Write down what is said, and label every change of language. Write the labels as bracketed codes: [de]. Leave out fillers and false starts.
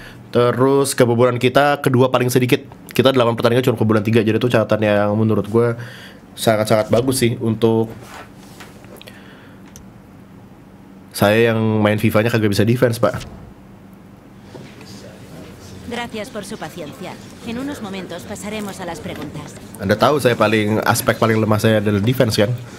[id] Terus kebobolan kita kedua paling sedikit. Kita 8 pertandingan cuma kebobolan 3. Jadi itu catatan yang menurut gue sangat-sangat bagus sih untuk saya yang main FIFA-nya kagak bisa defense, Pak. [es] Gracias por su paciencia. En unos momentos pasaremos a las preguntas. [id] Anda tahu saya paling aspek paling lemah saya adalah defense kan?